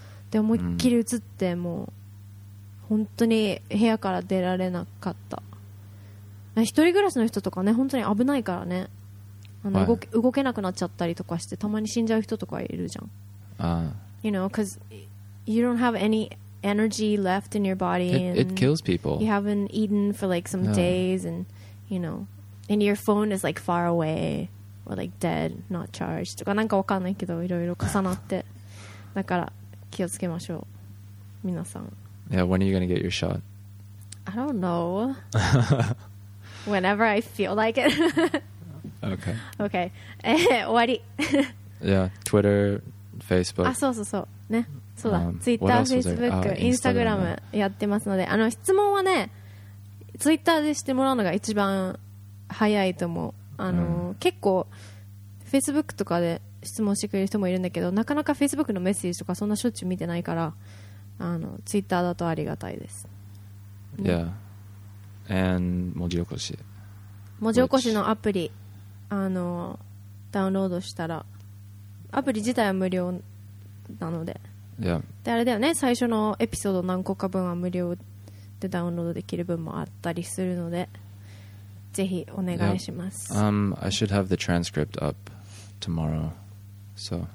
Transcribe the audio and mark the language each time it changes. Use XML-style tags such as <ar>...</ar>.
<ja>で、思いっきり移って、もう、本当に部屋から出られなかった。一人暮らしの人とかね、本当に危ないからね。あの動けなくなっちゃったりとかしてたまに死んじゃう人とかいるじゃん。</ja> <en>You know, because you don't have any energy left in your body. It kills people. You haven't eaten for like some days, and you know, and your phone is like far away or like dead, not charged.</en> <ja>とかなんかわかんないけどいろいろ重なって。だから気をつけましょう、皆さん。</ja> <en>Yeah, when are you gonna get your shot? I don't know. Whenever I feel like it. Okay. Okay.</en> <ja>終わり。</ja> <en>Yeah. Twitter, Facebook.</en> <ja>あ、そうそうそう。ね。そうだ。Twitter, Facebook, Instagram やってますので、あの、質問はね、Twitter でしてもらうのが一番早いと思う。あの、結構、Facebook とかで質問してくれる人もいるんだけど、なかなか Facebook のメッセージとかそんなしょっちゅう見てないから、あの、Twitter だとありがたいです。</ja> <en>ね、yeah. And 文字起こし。</en> <ja>文字起こしのアプリ。あのダウンロードしたらアプリ自体は無料なので、</ja> <en>yeah.</en> <ja>であれだよね、最初のエピソード何個か分は無料でダウンロードできる分もあったりするので、ぜひお願いします。</ja> <en>yeah. I should have the transcript up tomorrow, so</en>